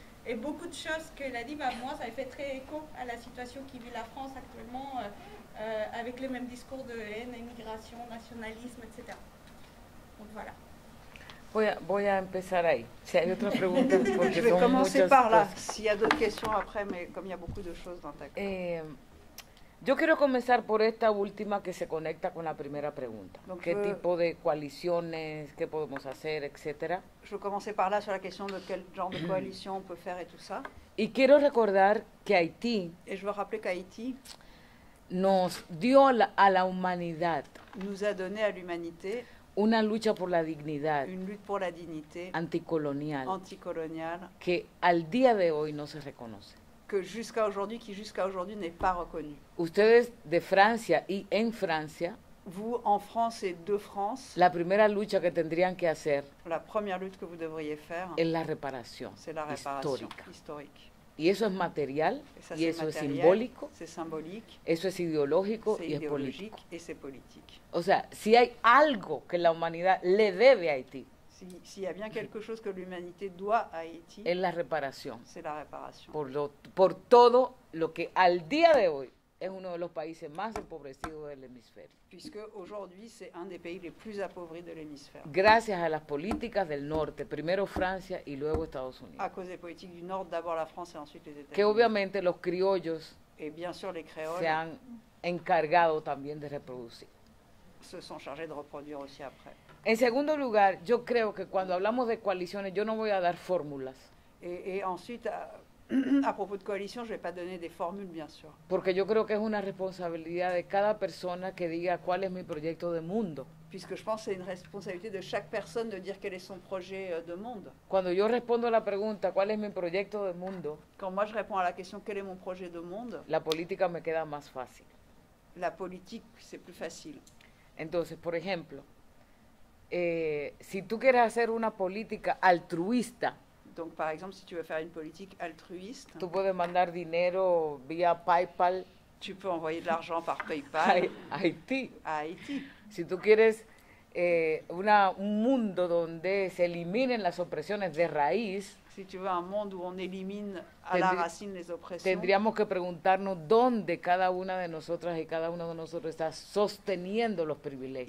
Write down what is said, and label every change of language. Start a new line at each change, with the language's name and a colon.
French: Et beaucoup de choses qu'elle a dit, moi, ça avait fait très écho à la situation qui vit la France actuellement avec les mêmes discours de haine, immigration, nationalisme, etc. Donc voilà.
Spanish: Voy a empezar ahí. Si hay otra pregunta, porque son muchas.
French: Je vais commencer par là. S'il y a d'autres questions après, mais comme il y a beaucoup de choses dans ta corps.
Spanish: Yo quiero comenzar por esta última que se conecta con la primera pregunta. Donc, ¿qué tipo de coaliciones, qué podemos hacer, etcétera?
French: Je vais commencer par là sur la question de quel genre de coalition on peut faire et tout ça.
Spanish: Y quiero recordar que Haití.
French: Et je veux rappeler qu'Haïti
Spanish: nos dio a la humanidad.
French: Nous a donné à l'humanité.
Spanish: Una lucha por la dignidad.
French: Une lutte pour la dignité.
Spanish: Anticolonial.
French: Anticolonial.
Spanish: Que al día de hoy no se reconoce.
French: Que jusqu'à aujourd'hui n'est pas reconnu.
Spanish: Ustedes de Francia y en Francia.
French: Vous en France et de France.
Spanish: La primera lucha que tendrían que hacer.
French: La première lutte que vous devriez faire.
Spanish: Es la reparación.
French: C'est la réparation historique.
Spanish: Y eso es material. Y eso es simbólico.
French: C'est symbolique.
Spanish: Eso es ideológico y es político.
French: Et c'est politique.
Spanish: O sea, si hay algo que la humanidad le debe a Haití.
French: S'il y a bien quelque chose que l'humanité doit à Haïti,
Spanish: es la reparación.
French: C'est la réparation.
Spanish: Por todo lo que al día de hoy es uno de los países más empobrecidos del hemisferio.
French: Puisque aujourd'hui c'est un des pays les plus appauvris de l'hémisphère.
Spanish: Gracias a las políticas del norte, primero Francia y luego Estados Unidos.
French: À cause des politiques du Nord, d'abord la France et ensuite les États-Unis.
Spanish: Que obviamente los criollos,
French: et bien sûr les créoles,
Spanish: se han encargado también de reproducir.
French: Se sont chargés de reproduire aussi après.
Spanish: En segundo lugar, yo creo que cuando hablamos de coaliciones, yo no voy a dar fórmulas.
French: Et ensuite, à propos de coalition, je ne vais pas donner des formules, bien sûr.
Spanish: Porque yo creo que es una responsabilidad de cada persona que diga cuál es mi proyecto de mundo.
French: Puisque je pense que c'est une responsabilité de chaque personne de dire quel est son projet de monde.
Spanish: Cuando yo respondo a la pregunta, ¿cuál es mi proyecto de mundo?
French: Quand moi je réponds à la question, quel est mon projet de monde?
Spanish: La política me queda más fácil.
French: La politique, c'est plus facile.
Spanish: Entonces, por ejemplo, si tú quieres hacer una política altruista,
French: donc par exemple, si tu veux faire une politique altruiste,
Spanish: tú puedes mandar dinero vía PayPal.
French: Tu peux envoyer de l'argent par PayPal
Spanish: a Haïti.
French: À Haïti.
Spanish: Si tú quieres un mundo donde se eliminen las opresiones de raíz, si tú quieres un mundo donde se eliminen a la raíz las opresiones, tendríamos que preguntarnos dónde cada una de nosotras y cada uno de nosotros está sosteniendo los privilegios.